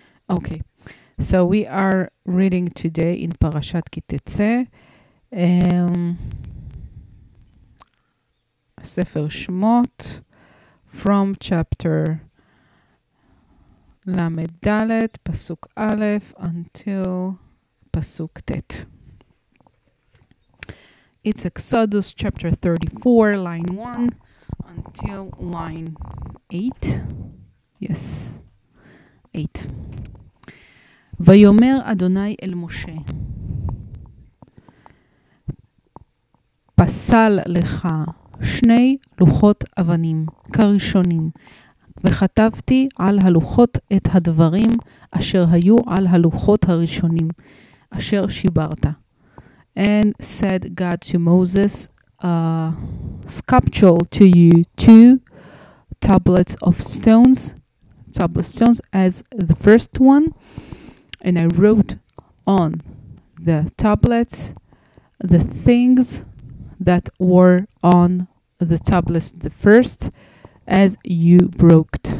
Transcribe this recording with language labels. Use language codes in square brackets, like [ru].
[en] Okay, so we are reading today in Parashat Ki Tetzé, Sefer Shmot, from chapter Lamed Dalet, Pasuk Aleph, until Pasuk Tet. It's Exodus chapter 34, line 1, until line 8. Yes, 8. [he] ויאמר אדוני אל משה, פסל לך שני לוחות אבנים כראשונים, וכתבתי על הלוחות את הדברים אשר היו על הלוחות הראשונים אשר שיברת. [en] And said God to Moses, sculpture to you two tablets of stones, tablet stones as the first one. And I wrote on the tablets the things that were on the tablets the first as you broke.